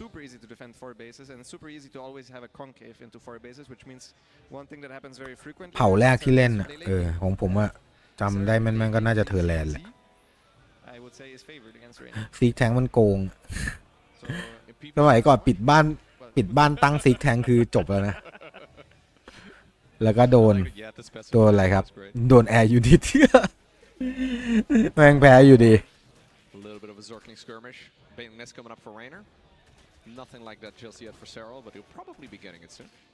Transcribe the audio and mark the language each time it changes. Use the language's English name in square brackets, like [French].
[English] Super easy to defend four bases and super easy to always have a concave into four bases, which means one thing that happens very frequently. [Thai] เผ่าแรกที่เล่นอ่ะเออของผมอ่ะจำได้แม่นก็น่าจะเทอร์แลนด์แหละ [English] I would say is favored against Rain. [Thai] ซีกแทงมันโกงสมัยก่อนปิดบ้านตั้งซีกแทงคือจบแล้วนะแล้วก็โดนอะไรครับโดนแอร์ยูนิตแม่งแพ้อยู่ดี [English] Little bit of a Zerkling skirmish. Baitlness coming up for Reiner. Nothing like that just yet for Serral, but he'll probably be getting it soon.